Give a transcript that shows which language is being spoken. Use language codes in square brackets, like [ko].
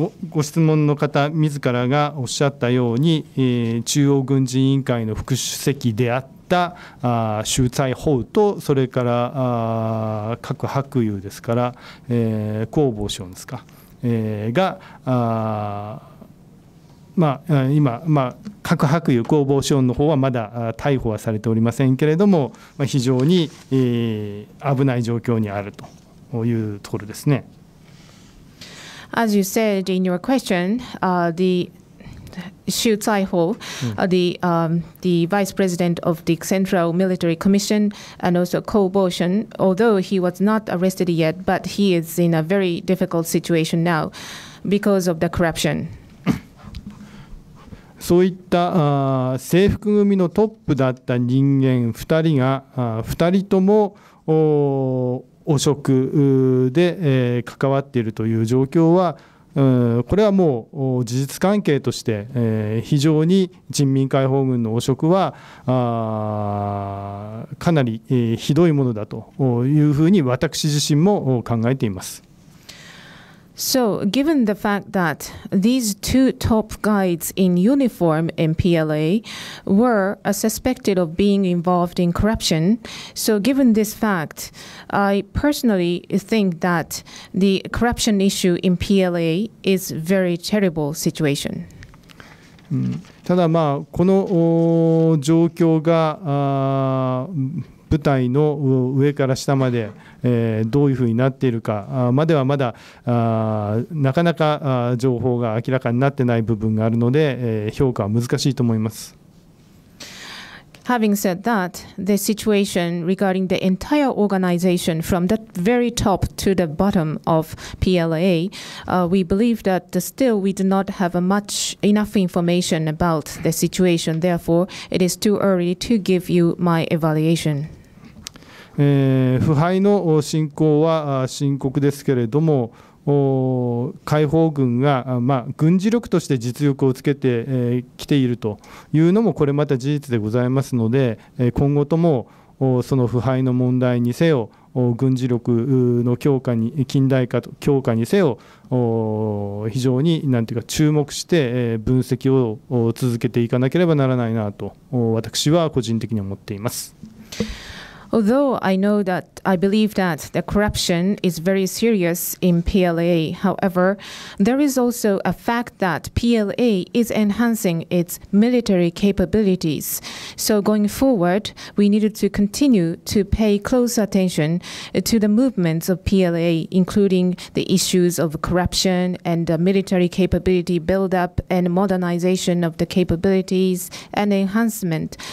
[ja] ご質問の方自らがおっしゃったように、中央軍事委員会の副主席であった秀才宝とそれから郭博雄ですから、公房省ですか、が、まあ、今、まあ、郭博雄公房省の方はまだ逮捕はされておりませんけれども、まあ、非常に、危ない状況にあるというところですね。 [en] As you said in your question, the Xu Caihou, the vice president of the Central Military Commission and also Ko Bo-shun, although he was not arrested yet, but he is in a very difficult situation now because of the corruption. [ja] そういった制服組のトップだった人間2人が、2人とも汚職で関わっているという状況は、これはもう事実関係として非常に人民解放軍の汚職はかなりひどいものだというふうに私自身も考えています。 [en] So, given the fact that these two top guides in uniform in PLA were suspected of being involved in corruption, so given this fact, I personally think that the corruption issue in PLA is a very terrible situation. [ja] ただ、まあ、この状況が部隊の上から下までどういうふうになっているかまではまだなかなか情報が明らかになってない部分があるので評価は難しいと思います。 [en] Having said that, the situation regarding the entire organization from the very top to the bottom of PLA, we believe that still we do not have much enough information about the situation. Therefore, it is too early to give you my evaluation. [ja] 腐敗の進行は深刻ですけれども、解放軍が、まあ、軍事力として実力をつけてきているというのもこれまた事実でございますので今後ともその腐敗の問題にせよ軍事力の強化に近代化と強化にせよ非常になんていうか注目して分析を続けていかなければならないなと私は個人的に思っています。 [en] Although I know that I believe that the corruption is very serious in PLA, however, there is also a fact that PLA is enhancing its military capabilities. So going forward, we needed to continue to pay close attention to the movements of PLA, including the issues of corruption and the military capability build-up and modernization of the capabilities and enhancement.